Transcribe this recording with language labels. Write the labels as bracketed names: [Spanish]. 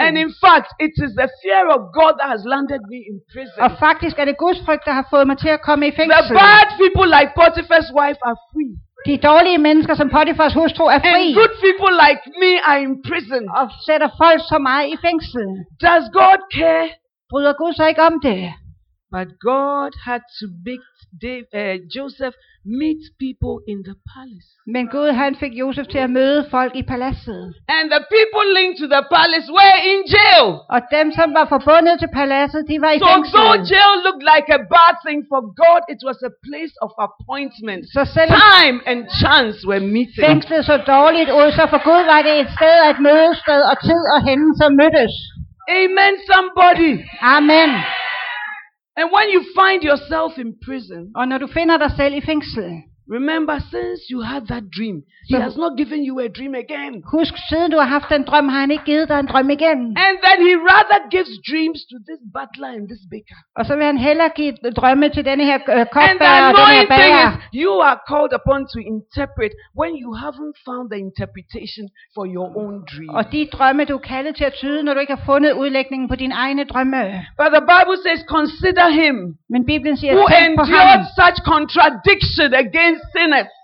[English] And in fact, it is the fear of God that has landed me in prison. [Danish] Og faktisk er det Guds frygt, der har fået mig til at komme i fængsel. [English] The bad people like Potiphar's wife are free. [Danish] De dårlige mennesker som Potifars hustru er fri. [English] And good people like me are in prison. [Danish] Og sætter folk som mig i fængsel. [English] Does God care? [Danish] Bryder Gud sig ikke om det? [English] But God had to make Joseph meet people in the palace. [Danish] Men Gud han fik Josef til at møde folk i paladset. [English] And the people linked to the palace were in jail. [Danish] Og dem som var forbundet til paladset, de var i fængsel. [English] So jail looked like a bad thing for God. It was a place of appointment. [Danish] Så selv [English] time and chance were meeting. [Danish] Fængslet så dårligt ud, så for Gud var det et sted at mødested og tid og hændelser mødtes. [English] Amen, somebody. [Danish] Amen. [English] And when you find yourself in prison, [Danish] og når du finder dig selv i fængsel, [English] remember, since you had that dream, he has not given you a dream again. [Danish] Husk, siden du har haft den drøm, har han ikke givet dig en drøm igen. [English] And then he rather gives dreams to this butler and this baker. [Danish] Og så vil han hellere give drømme til denne her kopbærer og denne her bærer. [English] You are called upon to interpret when you haven't found the interpretation for your own dream. [Danish] Og de drømme du er kaldet til at tyde, når du ikke har fundet udlægningen på din egne drømme. [English] But the Bible says, consider him. [Danish] Men Bibelen siger, [English] who endured such contradiction against sinners,